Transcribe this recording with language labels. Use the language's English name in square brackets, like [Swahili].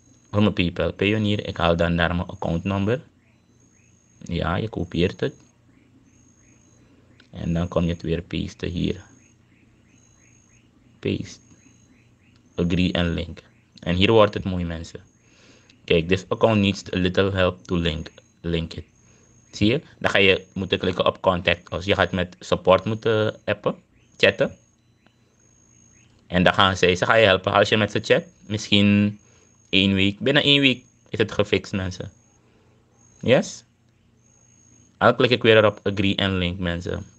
[Dutch] Voor mijn PayPal Payoneer. Ik haal dan daar mijn account number. Ja, je kopieert het. En dan kom je het weer pasten hier. Paste. Agree en link. En hier wordt het mooi, mensen. Kijk, [English] this account needs a little help to link it. [Dutch] Zie je? Dan ga je moeten klikken op contact. Als je gaat met support moeten appen, chatten. En dan gaan ze gaan je helpen als je met ze chat. Misschien 1 week. Binnen 1 week is het gefixt, mensen. Yes? Dan klik ik weer op agree en link, mensen.